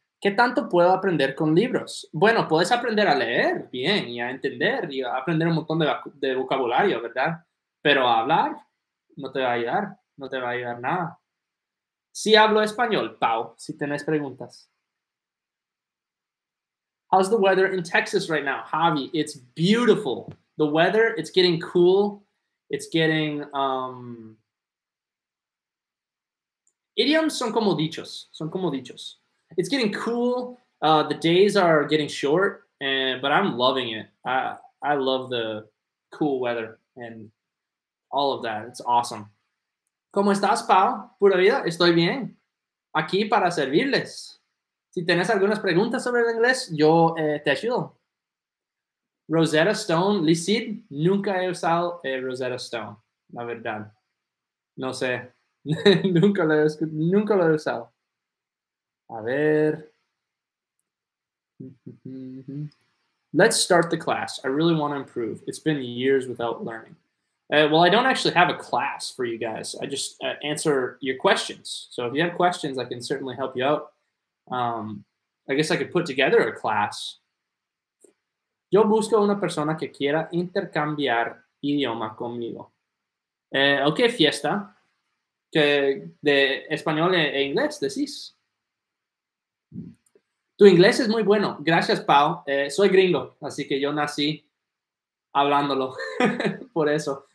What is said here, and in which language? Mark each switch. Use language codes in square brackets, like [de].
[es] ¿Qué tanto puedo aprender con libros? Bueno, puedes aprender a leer bien y a entender y a aprender un montón de vocabulario, ¿verdad? Pero a hablar no te va a ayudar, no te va a ayudar nada. Sí hablo español, Pau, si tenés preguntas. [en] How's the weather in Texas right now, Javi? It's beautiful. The weather, it's getting cool. It's getting... [es] Idioms son como dichos, son como dichos. [en] It's getting cool, the days are getting short, but I'm loving it. I love the cool weather and all of that. It's awesome. [es] ¿Cómo estás, Pau? Pura vida, estoy bien. Aquí para servirles. Si tienes algunas preguntas sobre el inglés, yo te ayudo. Rosetta Stone, Lisid, nunca he usado Rosetta Stone, la verdad. No sé. nunca lo he usado. A ver. [en] Let's start the class. I really want to improve. It's been years without learning. Well, I don't actually have a class for you guys. I just answer your questions. So if you have questions, I can certainly help you out. I guess I could put together a class. [es] Yo busco una persona que quiera intercambiar idioma conmigo. Okay, fiesta. Que de español e inglés, decís. Tu inglés es muy bueno. Gracias, Pau. Soy gringo, así que yo nací hablándolo. Por eso.